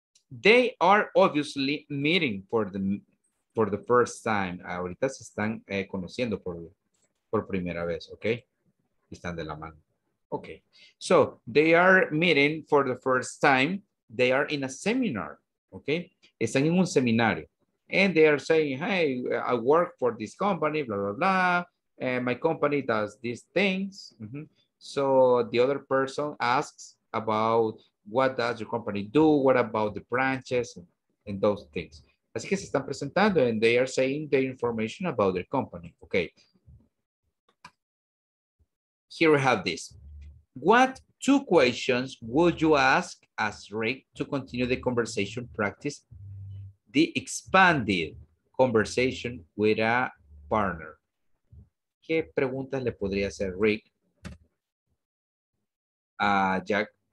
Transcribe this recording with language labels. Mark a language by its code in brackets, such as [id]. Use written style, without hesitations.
[en] They are obviously meeting for the first time. [es] Ahorita se están conociendo por primera vez, okay? Están de la mano. Okay. [en] So, they are meeting for the first time. They are in a seminar, okay? [es] Están en un seminario. [en] And they are saying, hey, I work for this company, blah, blah, blah. And my company does these things. Mm-hmm. So, the other person asks about what does your company do? What about the branches and those things? [es] Así que se están presentando [en] and they are saying the information about their company. Okay. Here we have this. What two questions would you ask as Rick to continue the conversation practice, the expanded conversation with a partner? [es] ¿Qué preguntas le podría hacer Rick a Jack?